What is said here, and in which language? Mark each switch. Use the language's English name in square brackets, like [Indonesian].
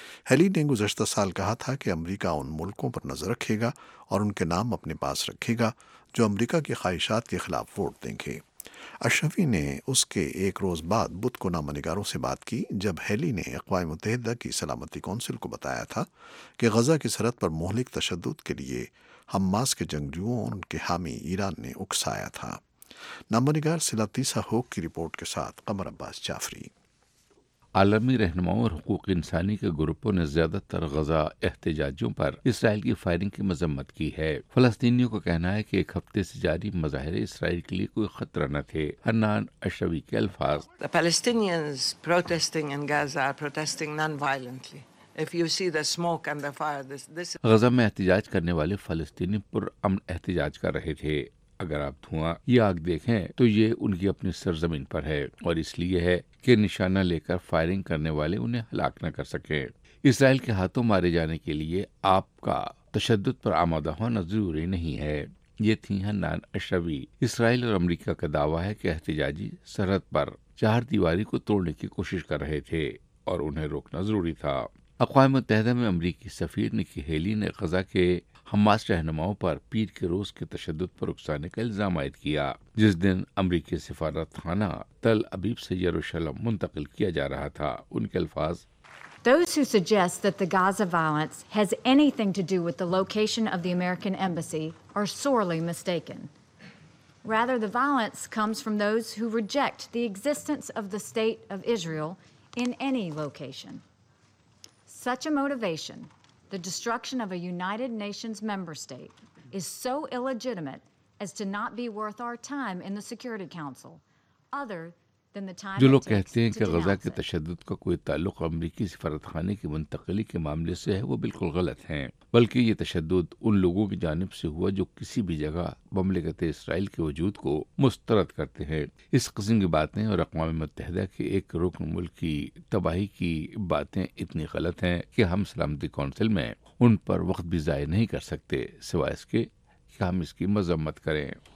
[Urdu] ہیلی نے گزشتہ سال کہا تھا کہ امریکہ ان ملکوں پر نظر رکھے گا اور ان کے نام اپنے پاس رکھے گا جو امریکہ کی خواہشات کے خلاف ووٹ دیں گے۔ اشرفی نے اس کے ایک روز بعد بدھ کو نامہ نگاروں سے بات کی، جب ہیلی نے اقوام متحدہ کی سلامتی کونسل کو بتایا تھا کہ غزہ کی سرحد پر مہلک تشدد کے لیے حماس کے جنگجوؤں اور ان کے حامی ایران نے اکسایا تھا۔ نامہ نگار سلاتیسا ہوک کی رپورٹ کے ساتھ قمر عباس جعفری۔ عالمی رہنماؤں اور حقوق انسانی کے گروپوں نے زیادہ تر غزہ احتجاجوں پر اسرائیل کی فائرنگ کی مذمت کی ہے۔ فلسطینیوں کا کہنا ہے کہ ایک ہفتے سے جاری مظاہرے اسرائیل کے لیے کوئی خطرہ نہ تھے۔ حنان اشوی کے الفاظ: [English] The Palestinians protesting in Gaza are protesting non-violently. If you see the smoke and the fire, this [Urdu] Gaza میں احتجاج کرنے والے فلسطینی پرامن احتجاج کر رہے تھے۔ اگر آپ دھواں یا آگ دیکھیں تو یہ ان کی اپنی سرزمین پر ہے، اور اس لیے ہے کہ نشانہ لے کر فائرنگ کرنے والے انہیں ہلاک نہ کر سکے۔ اسرائیل کے ہاتھوں مارے جانے کے لیے آپ کا تشدد پر آمادہ ہونا ضروری نہیں ہے. یہ تھی حنان اشوی. اسرائیل اور امریکہ کا دعویٰ ہے کہ احتجاجی سرحد پر چار دیواری کو توڑنے کی کوشش کر رہے تھے اور انہیں روکنا ضروری تھا. اقوام متحدہ میں امریکی سفیر نکی ہیلی نے غزہ کے حماس رہنماؤں پر پیر کے روز کے تشدد پر اکسانے کا الزام عائد کیا, جس دن امریکی سفارت خانہ تل ابیب سے یروشلم منتقل کیا جا رہا تھا. ان کے الفاظ, [English] Those who suggest that the Gaza violence has anything to do with the location of the American embassy are sorely mistaken. Rather, the violence comes from those who reject the existence of the state of Israel in any location. Such a motivation, the destruction of a United Nations member state, is so illegitimate as to not be worth our time in the Security Council, other than the time. [Urdu] جو لوگ کہتے ہیں کہ غزہ کے تشدد کا کوئی تعلق امریکی سفارتخانے کی منتقلی کے معاملے سے ہے وہ بالکل غلط ہیں, بلکہ یہ تشدد ان لوگوں کی جانب سے ہوا جو کسی بھی جگہ مملکت اسرائیل کے وجود کو مسترد کرتے ہیں. اس قسم کی باتیں اور اقوام متحدہ کے ایک رکن ملک کی تباہی کی باتیں اتنی غلط ہیں کہ ہم سلامتی کونسل میں ان پر وقت بھی ضائع نہیں کر سکتے سوائے اس کے کہ ہم اس کی مذمت کریں.